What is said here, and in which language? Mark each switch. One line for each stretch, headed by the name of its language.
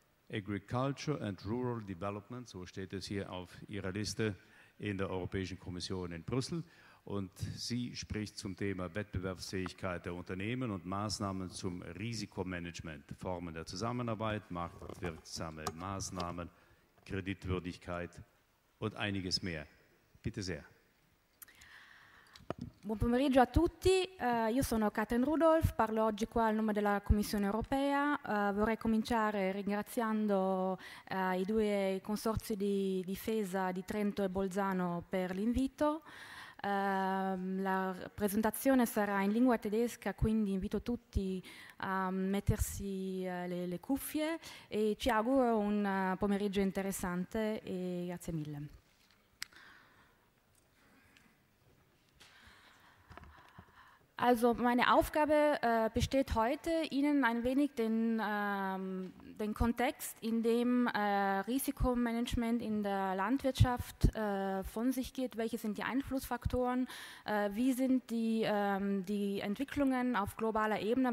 German: Agriculture and Rural Development, so steht es hier auf Ihrer Liste in der Europäischen Kommission in Brüssel. Und sie spricht zum Thema Wettbewerbsfähigkeit der Unternehmen und Maßnahmen zum Risikomanagement, Formen der Zusammenarbeit, marktwirksame Maßnahmen, Kreditwürdigkeit und einiges mehr. Bitte sehr.
Italian: Buon pomeriggio a tutti, io sono Katrin Rudolph, parlo oggi qua al nome della Commissione Europea, vorrei cominciare ringraziando i due consorzi di difesa di Trento e Bolzano per l'invito. La presentazione sarà in lingua tedesca, quindi invito tutti a mettersi le cuffie e ci auguro un pomeriggio interessante e grazie mille.
German: Also meine Aufgabe besteht heute, Ihnen ein wenig den Kontext, in dem Risikomanagement in der Landwirtschaft von sich geht. Welche sind die Einflussfaktoren? Wie sind die Entwicklungen auf globaler Ebene?